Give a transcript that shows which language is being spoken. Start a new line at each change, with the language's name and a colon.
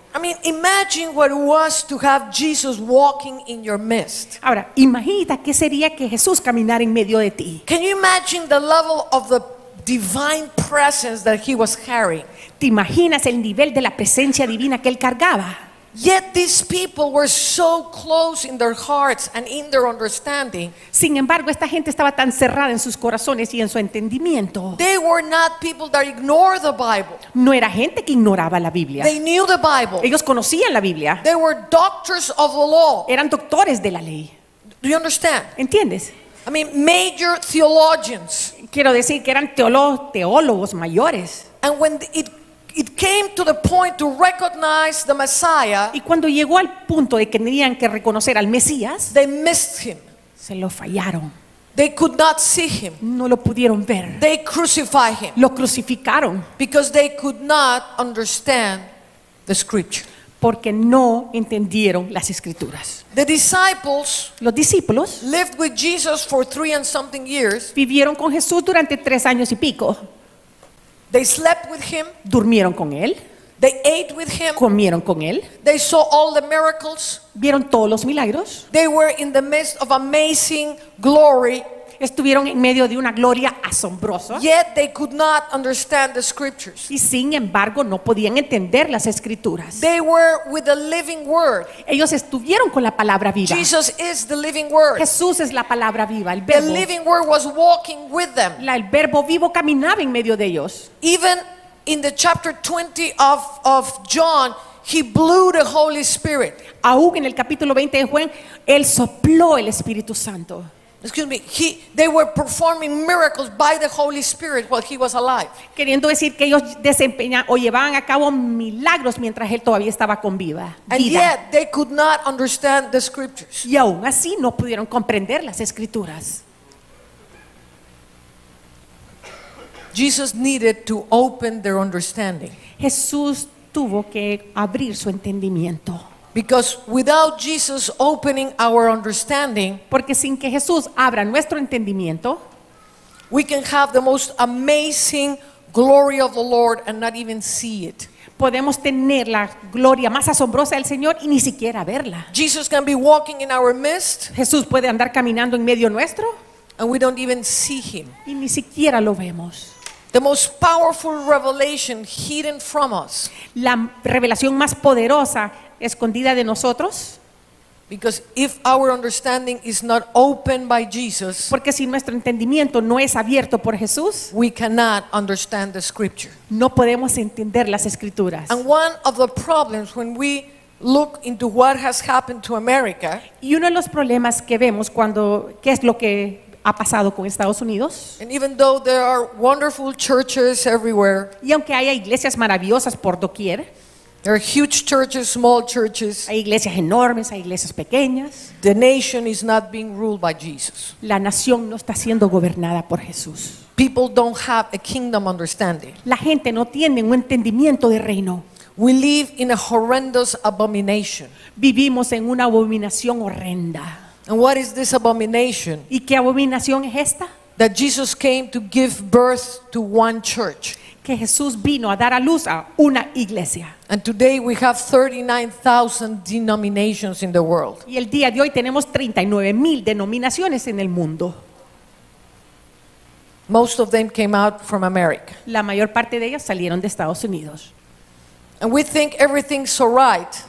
English: I mean, imagine what it was to have Jesus walking in your midst.
Spanish: Ahora, imagina qué sería que Jesús caminara en medio de ti.
English: Can you imagine the level of the divine presence that he was carrying?
Spanish: ¿Te imaginas el nivel de la presencia divina que él cargaba?
English: Yet these people were so close in their hearts and in their understanding.
Spanish: Sin embargo, esta gente estaba tan cerrada en sus corazones y en su entendimiento.
English: They were not people that ignored the Bible.
Spanish: No era gente que ignoraba la Biblia.
English: They knew the Bible.
Spanish: Ellos conocían la Biblia.
English: They were doctors of the law.
Spanish: Eran doctores de la ley.
English: Do you understand?
Spanish: ¿Entiendes?
English: I mean, major theologians.
Spanish: Quiero decir que eran teólogos mayores.
English: And when it came to the point to recognize the Messiah.
Spanish: Y cuando llegó al punto de que tenían que reconocer al Mesías,
English: they missed him.
Spanish: Se lo fallaron.
English: They could not see him.
Spanish: No lo pudieron ver.
English: They crucified him.
Spanish: Lo crucificaron.
English: Because they could not understand the scripture.
Spanish: Porque no entendieron las escrituras.
English: The disciples,
Spanish: los discípulos,
English: lived with Jesus for 3 and something years.
Spanish: Vivieron con Jesús durante 3 años y pico.
English: They slept with him.
Spanish: Durmieron con él.
English: They ate with him.
Spanish: Comieron con él.
English: They saw all the miracles.
Spanish: Vieron todos los milagros.
English: They were in the midst of amazing glory.
Spanish: Estuvieron en medio de una gloria asombrosa.
English: Yet they could not understand the scriptures.
Spanish: Y sin embargo no podían entender las escrituras.
English: They were with the living word.
Spanish: Ellos estuvieron con la palabra viva.
English: Jesus is the living word.
Spanish: Jesús es la palabra viva, el verbo.
English: The living word was walking with them.
Spanish: El verbo vivo caminaba en medio de ellos.
English: Even in the chapter 20 of John, he blew the Holy Spirit.
Spanish: Aún en el capítulo 20 de Juan, él sopló el Espíritu Santo.
English: Excuse me. They were performing miracles by the Holy Spirit while he was alive.
Spanish: Queriendo decir que ellos desempeñaban o llevaban a cabo milagros mientras él todavía estaba con vida.
English: And yet they could not understand the scriptures.
Spanish: Y aún así no pudieron comprender las escrituras.
English: Jesus needed to open their understanding.
Spanish: Jesús tuvo que abrir su entendimiento.
English: Because without Jesus opening our understanding,
Spanish: porque sin que Jesús abra nuestro entendimiento,
English: we can have the most amazing glory of the Lord and not even see it.
Spanish: Podemos tener la gloria más asombrosa del Señor y ni siquiera verla.
English: Jesus can be walking in our midst.
Spanish: Jesús puede andar caminando en medio nuestro.
English: And we don't even see him.
Spanish: Y ni siquiera lo vemos.
English: The most powerful revelation hidden from us.
Spanish: La revelación más poderosa escondida de nosotros.
English: Because if our understanding is not opened by Jesus,
Spanish: porque si nuestro entendimiento no es abierto por Jesús,
English: we cannot understand the scripture.
Spanish: No podemos entender las escrituras.
English: And one of the problems when we look into what has happened to America,
Spanish: y uno de los problemas que vemos cuando qué es lo que ha pasado con Estados Unidos.
English: And even though there are wonderful churches everywhere,
Spanish: y aunque haya iglesias maravillosas por doquier,
English: there are huge churches, small churches,
Spanish: hay iglesias enormes, hay iglesias pequeñas,
English: the nation is not being ruled by Jesus.
Spanish: La nación no está siendo gobernada por Jesús.
English: People don't have a kingdom understanding.
Spanish: La gente no tiene un entendimiento de reino.
English: We live in a horrendous abomination.
Spanish: Vivimos en una abominación horrenda.
English: And what is this abomination?
Spanish: ¿Y qué abominación es esta?
English: That Jesus came to give birth to one church.
Spanish: Que Jesús vino a dar a luz a una iglesia.
English: And today we have 39,000 denominations in the world.
Spanish: Y el día de hoy tenemos 39,000 denominaciones en el mundo.
English: Most of them came out from America.
Spanish: La mayor parte de ellas salieron de Estados Unidos.
English: And we think everything's all right.